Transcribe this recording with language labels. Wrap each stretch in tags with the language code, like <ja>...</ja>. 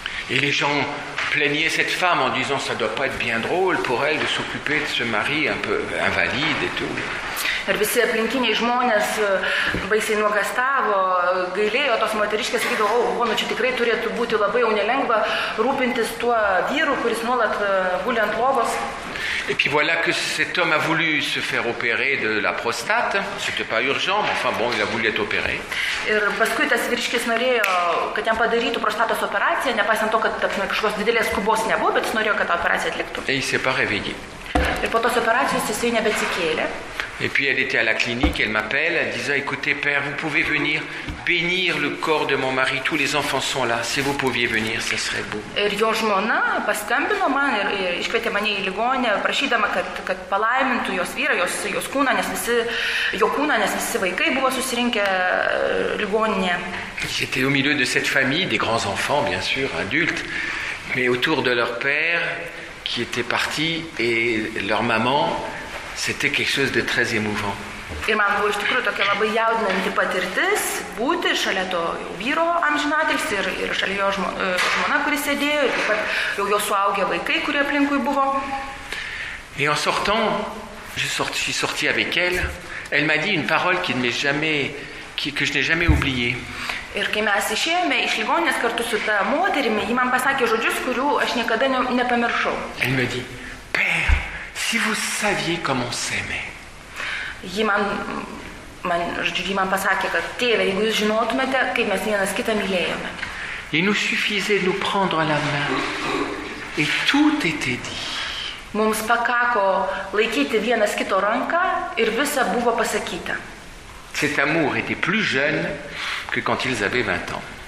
<fr>Et les gens plaignaient cette femme en disant ça doit pas être bien drôle pour elle de s'occuper de ce mari un peu invalide et tout.</fr> <lt>Ir visi aplinkiniai žmonės baisiai nuogastavo, gailėjo tos moteriškės, sakydavo, o, nu čia tikrai turėtų būti labai jau nelengva rūpintis tuo vyru, kuris nuolat guli ant lovos.</lt> <fr>Et puis voilà que cet homme a voulu se faire opérer de la prostate. C'était pas urgent, mais enfin bon, il a voulu être opéré.</fr> <lt>Ir paskui tas vyriškis norėjo, kad jam padarytų prostatos operaciją, nepaisant to, kad kažkos didelės skubos nebuvo, bet jis norėjo, kad tą operaciją atliktų.</lt> <fr>Et il s'est pas réveillé.</fr> <lt>Ir po tos operacijos jisai nebeatsikėlė.</lt> <fr>Et puis elle était à la clinique, elle m'appelle, elle disait, écoutez père, vous pouvez venir bénir le corps de mon mari, tous les enfants sont là, si vous pouviez venir, ce serait beau.</fr> <lt>Ir jo žmona paskambino man ir iškvietė mane į ligonę, prašydama, kad palaimintų jos vyrą, jos kūną, nes visi, jo kūną, nes visi vaikai buvo susirinkę ligoninėje.</lt> <fr>J'étais au milieu de cette famille, des grands enfants, bien sûr, adultes, mais autour de leur père, qui était parti, et leur maman, c'était quelque chose de très émouvant.</fr> <lt>Ir man buvo iš tikrųjų tokia labai jaudinanti patirtis būti šalia to jau vyro amžinatils ir šalia jo žmona, kuris sėdėjo, ir taip pat jau jo suaugė vaikai, kurie aplinkui buvo.</lt> <fr>Et en sortant, je suis sorti avec elle, elle m'a dit une parole qui ne m'est jamais, que je n'ai jamais oubliée.</fr> <lt>Ir kai mes išėjome iš ligoninės kartu su ta moterimi, ji man pasakė žodžius, kurių aš niekada nepamiršau.</lt> <fr>Elle m'a dit, père, si vous saviez comment s'aimer.</fr> <lt>Ji man pasakė, kad tėvė, jeigu jūs žinotumėte, kaip mes vienas kitą mylėjome.</lt> <fr>Il nous suffisait de nous prendre la main et tout était dit.</fr> <lt>Mums pakako laikyti vienas kito ranką ir visa buvo pasakyta.</lt> <fr>Cet amour était plus jeune que quand ils avaient 20 ans.</fr>